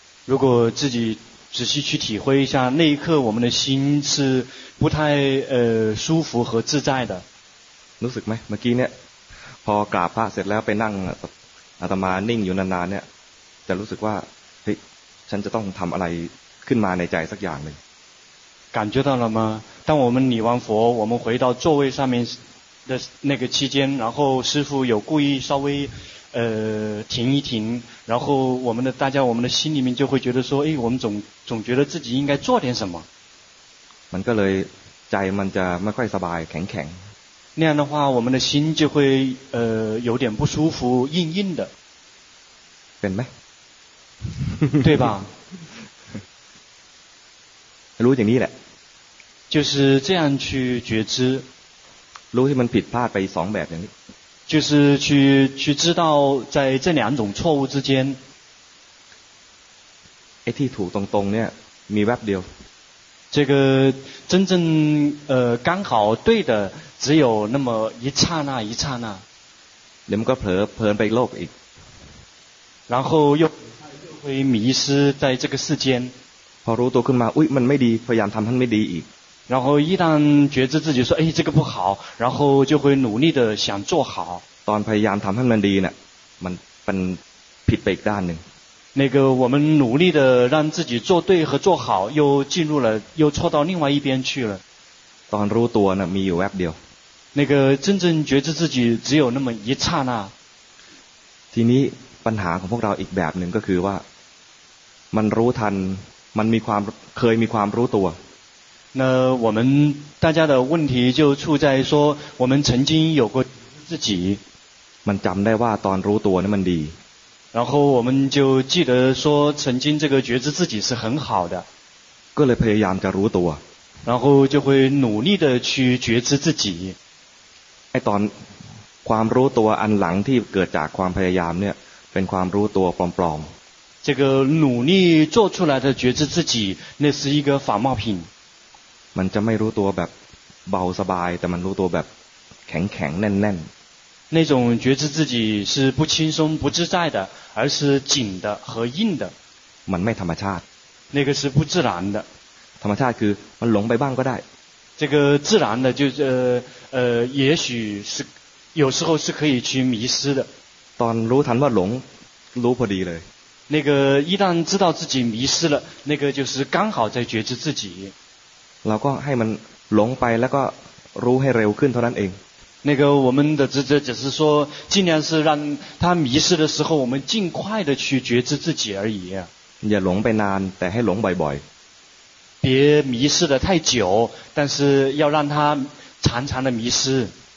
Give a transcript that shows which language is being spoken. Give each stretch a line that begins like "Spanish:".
Chinese: 如果自己仔细去体会一下那一刻我们的心是不太舒服和自在的
Thai: รู้สึกไหมเมื่อกี้เนี่ยพอกราบพระเสร็จแล้วไปนั่งอาตมานิ่งอยู่นานๆเนี่ยจะรู้สึกว่าเฮ้ยฉันจะต้องทำอะไรขึ้นมาในใจสักอย่างหนึ่ง
Chinese: 感觉到了吗当我们礼完佛我们回到座位上面的那个期间然后师父有故意稍微停一停然后我们的心里面就会觉得说我们总觉得自己应该做点什么
Thai: มันก็เลยใจมันจะไม่ค่อยสบายแข็ง
Chinese: ๆ那样的话我们的心就会有点不舒服硬硬的
Thai: เป็นไหม
Chinese: 对吧
Thai: รู้อย่างนี้แหละ
Chinese: 就是这样去觉知
Thai: รู้ที่มันผิดพลาดไปสองแบบอย่างนี้
Chinese: 就是去知道在这两种错误之间
Thai: ไอ้ที่ถูกตรงๆเนี่ยมีแวบเดียว
Chinese: 这个真正刚好对的只有那么一刹那一刹那
Thai: เดี๋ยวมันก็เพลินไปโลกอีก
Chinese: 然后又会迷失在这个世间
Thai: พอรู้ตัวขึ้นมาอุ๊ยมันไม่ดีพยายามทำให้ไม่ดีอีก
Chinese: 然后一旦觉知自己说这个不好然后就会努力的想做好
Thai: ตอนพยายามทำให้มันดีเนี่ยมันเป็นผิดไปอีกด้านหนึ่ง
Chinese: 那个我们努力的让自己做对和做好又进入了又错到另外一边去了
Thai: ตอนรู้ตัวเนี่ยมีอยู่แวบเดียว
Chinese: 那个真正觉知自己只有那么一刹那
Thai: ทีนี้ปัญหาของพวกเราอีกแบบหนึ่งก็คือว่ามันรู้ทันมันมีความเคยมีความรู้ตัว
Chinese: 那我们大家的问题就处在说我们曾经有过自己
Thai: มันจำได้ว่าตอนรู้ตัวนั้นมันดี
Chinese: 然后我们就记得说曾经这个觉知自己是很好的
Thai: ก็เลยพยายามจะรู้ตัว
Chinese: 然后就会努力的去觉知自己
Thai: ไอ้ตอนความรู้ตัวอันหลังที่เกิดจากความพยายามเนี่ยเป็นความรู้ตัวปลอม
Chinese: ๆ这个努力做出来的觉知自己那是一个仿冒品
Thai: มันจะไม่รู้ตัวแบบเบาสบายแต่มันรู้ตัวแบบแข็งแข็งแน่นแน่น
Chinese: 那种觉知自己是不轻松不自在的而是紧的和硬的
Thai: มันไม่ธรรมชาติ
Chinese: 那个是不自然的
Thai: ธรรมชาติคือมันหลงไปบ้างก็ได้
Chinese: 这个自然的就也许是有时候是可以去迷失的
Thai: ตอนรู้ทันว่าหลงรู้พอดีเลย
Chinese: 那个一旦知道自己迷失了那个就是刚好在觉知自己
Thai: เราก็ให้มันหลงไปแล้วก็รู้ให้เร็วขึ้นเท่านั้นเอง
Chinese: 那个我们的职责只是说尽量是让他迷失的时候我们尽快的去觉知自己而已
Thai: อย่าหลงไปนานแต่ให้หลงบ่อย
Chinese: ๆ别迷失的太久但是要让他常常的迷失